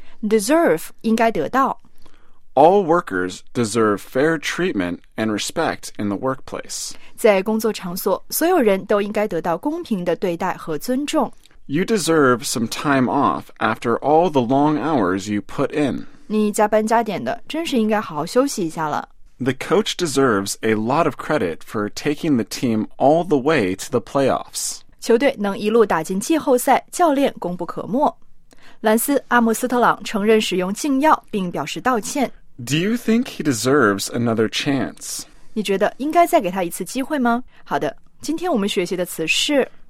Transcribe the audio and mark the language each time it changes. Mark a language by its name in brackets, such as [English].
[Chinese] Deserve, 应该得到。 [English] All workers deserve fair treatment and respect in the workplace. [Chinese] 在工作场所，所有人都应该得到公平的对待和尊重。 [English] You deserve some time off after all the long hours you put in. [Chinese] 你加班加点的，真是应该好好休息一下了。 [English] The coach deserves a lot of credit for taking the team all the way to the playoffs. [Chinese] 球队能一路打进季后赛，教练功不可没。兰斯·阿姆斯特朗承认使用禁药，并表示道歉。 [English] Do you think he deserves another chance? [Chinese] 你觉得应该再给他一次机会吗？好的，今天我们学习的词是